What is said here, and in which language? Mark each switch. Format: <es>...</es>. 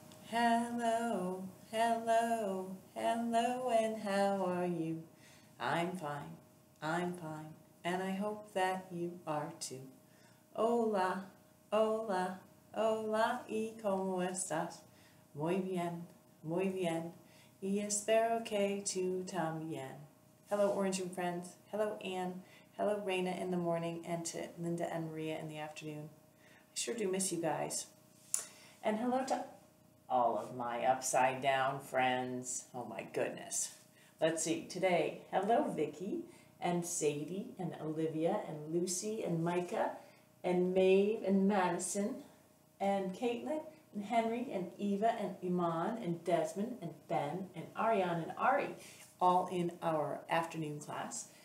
<en>Hello, hello, hello, and how are you? I'm fine, and I hope that you are too.</en> <es>Hola, hola, hola, y cómo estás? Muy bien, y espero que tú también.</es> <en>Hello, Orange Room friends. Hello, Anne. Hello, Raina in the morning, and to Linda and Maria in the afternoon. I sure do miss you guys. And hello to all of my upside down friends. Oh my goodness. Let's see, today, hello Vicky and Sadie and Olivia and Lucy and Micah and Maeve and Madison and Caitlin and Henry and Eva and Iman and Desmond and Ben and Ariane and Ari, all in our afternoon class.</en>